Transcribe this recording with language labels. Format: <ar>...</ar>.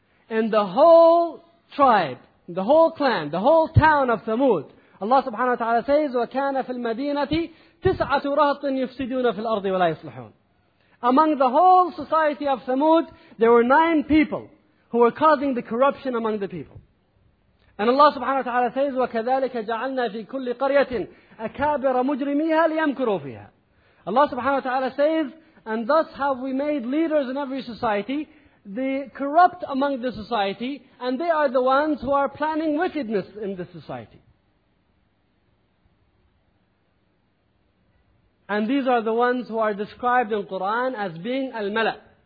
<en>And the whole tribe, the whole clan, the whole town of Thamud, Allah subhanahu wa ta'ala says,</en> <ar>وَكَانَ فِي الْمَدِينَةِ تِسْعَةُ رَهْطٍ يُفْسِدُونَ فِي الْأَرْضِ وَلَا يُصْلِحُونَ.</ar> <en>Among the whole society of Thamud, there were 9 people who were causing the corruption among the people. And Allah subhanahu wa ta'ala says,</en> <ar>وَكَذَلِكَ جَعَلْنَا فِي كُلِّ قَرْيَةٍ أَكَابِرَ مُجْرِمِيهَا لِيَمْكُرُوا فِيهَا.</ar> <en>Allah subhanahu wa ta'ala says, and thus have we made leaders in every society, the corrupt among the society, and they are the ones who are planning wickedness in the society. And these are the ones who are described in Quran as being al-mala.</en>